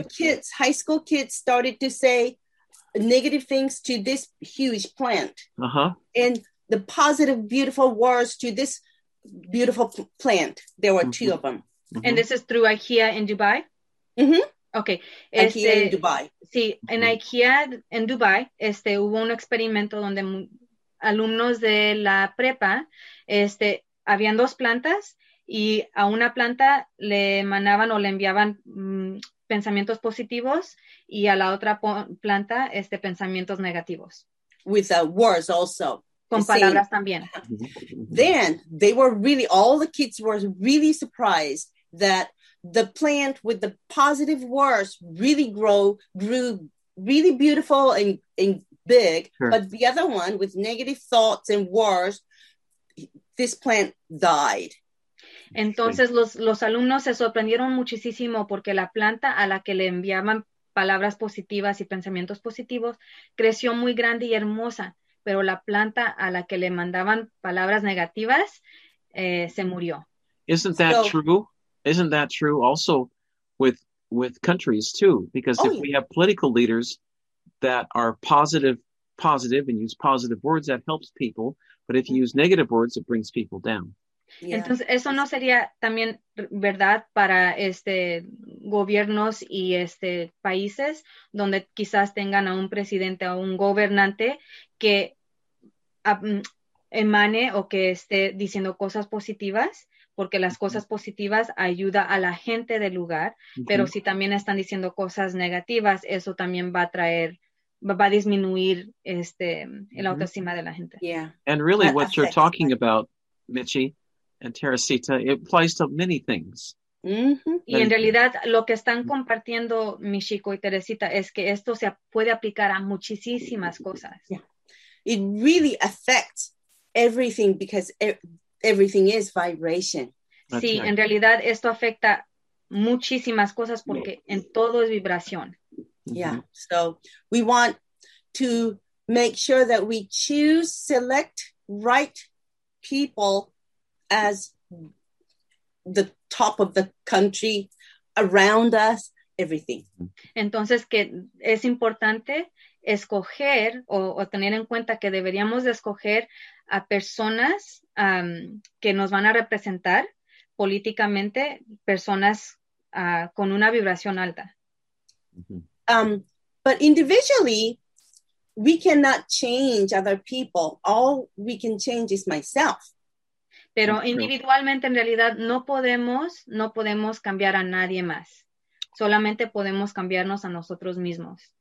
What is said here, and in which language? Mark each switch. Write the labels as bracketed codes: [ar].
[en] the kids, high school kids, started to say negative things to this huge plant. Uh-huh. And the positive, beautiful words to this beautiful plant. There were mm-hmm. two of them. Mm-hmm. And this is through IKEA in Dubai? Mm-hmm. Okay. IKEA in Dubai. [es] Sí, en mm-hmm. IKEA en Dubai, este, hubo un experimento donde alumnos de la prepa, este, habían dos plantas y a una planta le emanaban o le enviaban pensamientos positivos y a la otra planta pensamientos negativos. [en] With words also. [es] Con palabras [en] same. [es] También. [en] Then they were really, all the kids were really surprised that the plant with the positive words really grew really beautiful and big, sure. But the other one with negative thoughts and words, this plant died. [es] Entonces los alumnos se sorprendieron muchísimo porque la planta a la que le enviaban palabras positivas y pensamientos positivos creció muy grande y hermosa, pero la planta a la que le mandaban palabras negativas se murió. [en] Isn't that true? Isn't that true also with countries too? Because if we have political leaders that are positive and use positive words, that helps people. But if you use negative words, it brings people down. Yeah. [es] Entonces, eso no sería también verdad para gobiernos y países donde quizás tengan a un presidente o un gobernante que emane o que esté diciendo cosas positivas, porque las cosas positivas ayuda a la gente del lugar, pero si también están diciendo cosas negativas, eso también va a traer, va a disminuir la autoestima de la gente. [en] Yeah. And really that what affects, you're talking about, Michi and Teresita, it applies to many things. [es] Y en realidad lo que están compartiendo Michiko y Teresita es que esto se puede aplicar a muchísimas cosas. [en] Yeah. It really affects everything because everything is vibration. That's [es] sí, [en] right. [es] En realidad esto afecta muchísimas cosas porque en todo es vibración. [en] Yeah, so we want to make sure that we choose, select right people as the top of the country, around us, everything. [es] Entonces, que es importante escoger o tener en cuenta que deberíamos de escoger a personas que nos van a representar políticamente, personas con una vibración alta. Mm-hmm. [en] But individually, we cannot change other people. All we can change is myself. [es] Pero individualmente, en realidad, no podemos cambiar a nadie más. Solamente podemos cambiarnos a nosotros mismos.